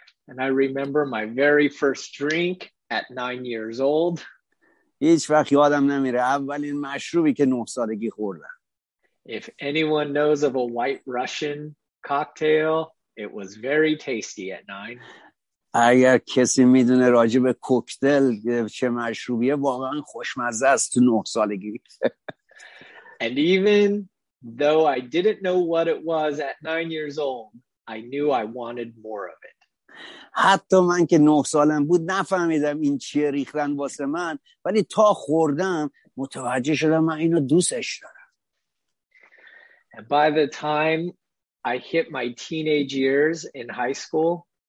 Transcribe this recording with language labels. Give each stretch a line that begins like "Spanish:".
English: And I remember my very first drink at 9 years old.
Persian: هیچ وقت یادم نمیره اولین مشروبی که 9 سالگی خوردم.
English: If anyone knows of a white Russian cocktail, it was very tasty at 9.
Persian: اگر کسی میدونه راجع به کوکتل چه مشروبیه، واقعا خوشمزه است تو 9 سالگی.
English: And even though I didn't know what it was at 9 years old, I knew I wanted more of it.
Persian: حتی من که 9 سالم بود نفهمیدم این چیه ریختن واسه من، ولی تا خوردم متوجه شدم من اینو دوستش دارم.
English: And by the time I hit my teenage years in high school,